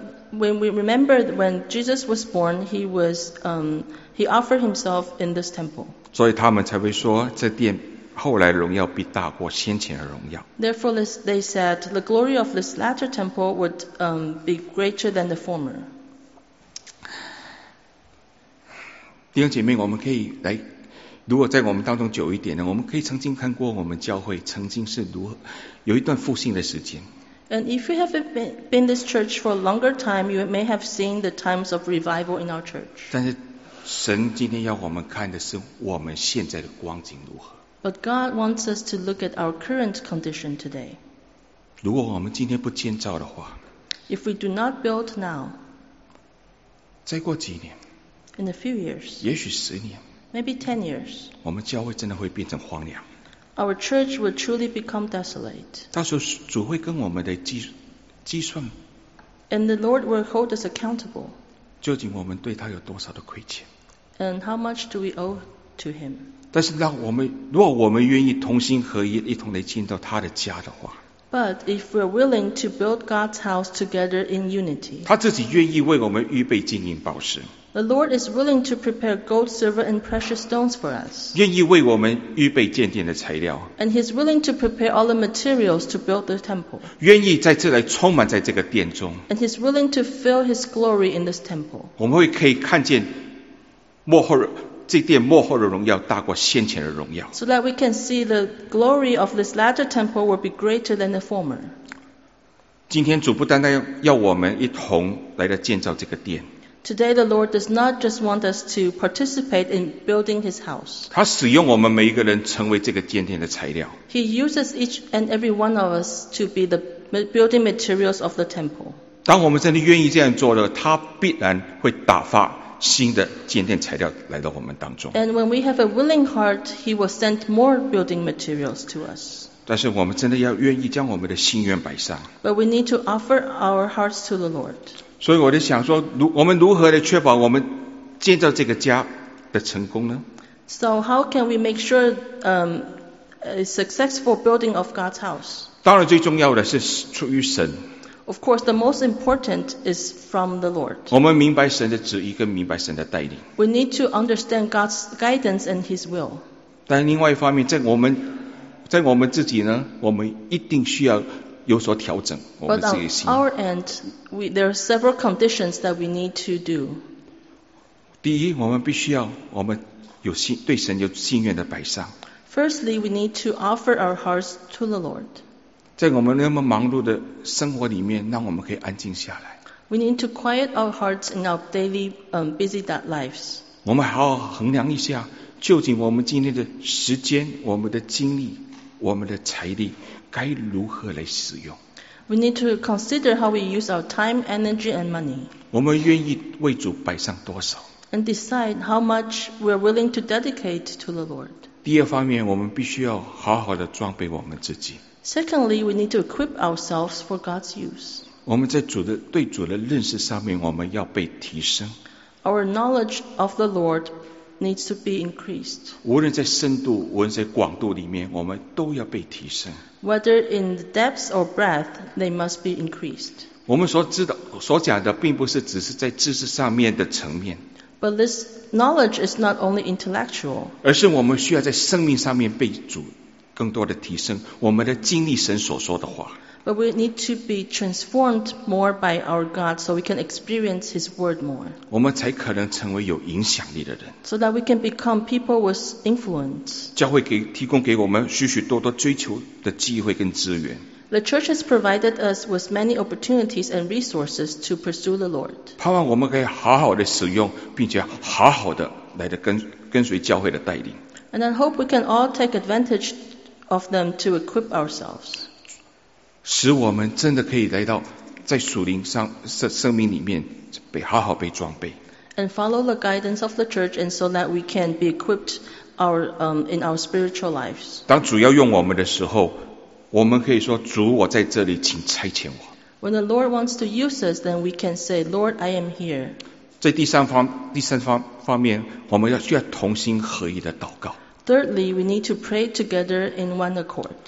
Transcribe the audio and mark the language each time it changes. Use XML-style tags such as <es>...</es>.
<en>When we remember when Jesus was born, he offered himself in this temple.</en> <zh>所以他们才会说，这殿后来荣耀必大过先前的荣耀。</zh> <en>Therefore, they said the glory of this latter temple would be greater than the former.</en> <zh>弟兄姐妹，我们可以来，如果在我们当中久一点呢，我们可以曾经看过我们教会曾经是如何有一段复兴的时间。</zh> <en>And if you have been this church for a longer time, you may have seen the times of revival in our church.</en> <zh>但是神今天要我们看的是我们现在的光景如何。</zh> <en>But God wants us to look at our current condition today.</en> <zh>如果我们今天不建造的话，</zh> <en>If we do not build now,</en> <zh>再过几年，</zh> <en>In a few years,</en> <zh>也许十年，</zh> <en>Maybe 10 years,</en> <zh>我们教会真的会变成荒凉。</zh> <en>Our church would truly become desolate.</en> <zh>到时候主会跟我们的计算。</zh> <en>And the Lord will hold us accountable.</en> <zh>究竟我们对他有多少的亏欠。</zh> <en>And how much do we owe to him?</en> <zh>但是让我们，如果我们愿意同心合一，一同来建造他的家的话。</zh> <en>But if we're willing to build God's house together in unity.</en> <zh>他自己愿意为我们预备金银宝石。</zh> <en>The Lord is willing to prepare gold, silver, and precious stones for us.</en> <zh>愿意为我们预备建殿的材料。</zh> <en>And He's willing to prepare all the materials to build the temple.</en> <zh>愿意在这里充满在这个殿中。</zh> <en>And He's willing to fill His glory in this temple.</en> <zh>我们会可以看见幕后这殿幕后的荣耀大过先前的荣耀。</zh> <en>So that we can see the glory of this latter temple will be greater than the former.</en> <zh>今天主不单单要我们一同来的建造这个殿。</zh> <en>Today the Lord does not just want us to participate in building His house.</en> <zh>他使用我们每一个人成为这个建殿的材料。</zh> <en>He uses each and every one of us to be the building materials of the temple.</en> <zh>当我们真的愿意这样做了，他必然会打发新的建殿材料来到我们当中。</zh> <en>And when we have a willing heart, He will send more building materials to us.</en> <zh>但是我们真的要愿意将我们的心愿摆上。</zh> <en>But we need to offer our hearts to the Lord.</en> <zh>所以我就想说，我们如何的确保我们建造这个家的成功呢？</zh> <en>So how can we make sure a successful building of God's house?</en> <zh>当然最重要的是出于神。</zh> <en>Of course, the most important is from the Lord.</en> <zh>我们明白神的旨意跟明白神的带领。</zh> <en>We need to understand God's guidance and His will.</en> <zh>但另外一方面，在我们自己呢，我们一定需要有所调整我们自己的心。</zh> <en>But on our end, there are several conditions that we need to do.</en> <zh>第一，我们必须要我们有心对神有心愿的摆上。</zh> <en>Firstly, we need to offer our hearts to the Lord.</en> <zh>在我们那么忙碌的生活里面，让我们可以安静下来。</zh> <en>We need to quiet our hearts in our daily busy lives.</en> <zh>我们好好衡量一下，究竟我们今天的时间、我们的精力、我们的财力该如何来使用。</zh> <en>We need to consider how we use our time, energy, and money.</en> <zh>我们愿意为主摆上多少</zh> <en>？And decide how much we are willing to dedicate to the Lord.</en> <zh>第二方面，我们必须要好好的装备我们自己。</zh> <en>Secondly, we need to equip ourselves for God's use.</en> <zh>我们在主的对主的认识上面，我们要被提升。</zh> <en>Our knowledge of the Lord needs to be increased.</en> <zh>无论在深度，无论在广度里面，我们都要被提升。</zh> <en>Whether in the depths or breadth, they must be increased.</en> <zh>我们所知道、所讲的，并不是只是在知识上面的层面。</zh> <en>But this knowledge is not only intellectual.</en> <zh>而是我们需要在生命上面被主更多的提升，我们的经历神所说的话。</zh> <en>But we need to be transformed more by our God, so we can experience His word more.</en> <zh>我们才可能成为有影响力的人。</zh> <en>So that we can become people with influence.</en> <zh>教会给提供给我们许许多多追求的机会跟资源。</zh> <en>The church has provided us with many opportunities and resources to pursue the Lord.</en> <zh>盼望我们可以好好的使用，并且好好的来的跟随教会的带领。</zh> <en>And I hope we can all take advantage of them to equip ourselves.</en> <zh>使我们真的可以来到在属灵上生命里面被好好被装备。</zh> <en>And follow the guidance of the church, and so that we can be equipped our in our spiritual lives.</en> <zh>当主要用我们的时候，我们可以说：“主，我在这里，请差遣我。”</zh> <en>When the Lord wants to use us, then we can say, "Lord, I am here."</en> <zh>在第三方面，我们需要同心合一的祷告。</zh> <en>Thirdly, we need to pray together in one accord.</en>